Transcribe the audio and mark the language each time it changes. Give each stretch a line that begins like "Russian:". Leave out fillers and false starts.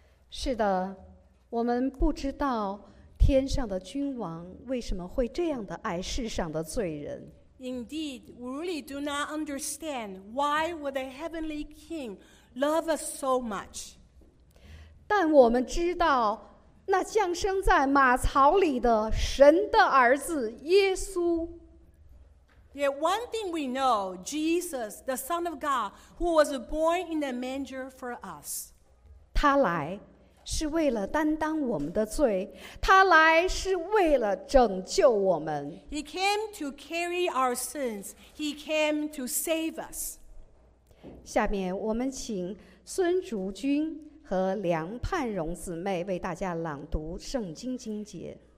Chinese: 是的，我们不知道天上的君王为什么会这样的爱世上的罪人。
English: Indeed, we really do not understand why would the heavenly king love us so much.
Chinese: 但我们知道，那降生在马槽里的神的儿子耶稣。
English: Yet one thing we know, Jesus, the Son of God, who was born in a manger for us.
Chinese: 他来是为了担当我们的罪，他来是为了拯救我们。
English: He came to carry our sins. He came to save us.
Chinese: 下面我们请孙竹君和梁盼荣姊妹为大家朗读圣经经节。